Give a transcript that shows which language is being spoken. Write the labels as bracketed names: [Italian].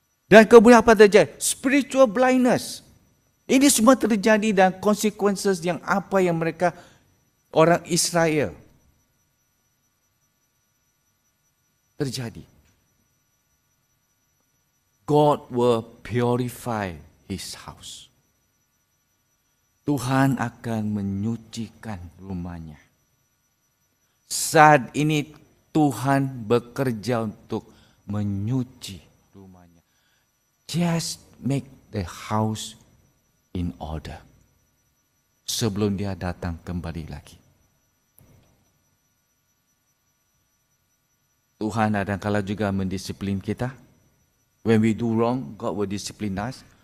[Indonesian] Dan kemudian apa terjadi? [English] Spiritual blindness. [Indonesian] Ini semua terjadi dan consequences yang apa yang mereka, orang Israel, terjadi. [English] God will purify his house. [Indonesian] Tuhan akan menyucikan rumahnya. Saat ini Tuhan bekerja untuk menyuci rumahnya. [English] Just make the house in order. [Indonesian] Sebelum dia datang kembali lagi. Tuhan kadangkala juga mendisiplin kita. [English] When we do wrong, God will discipline us.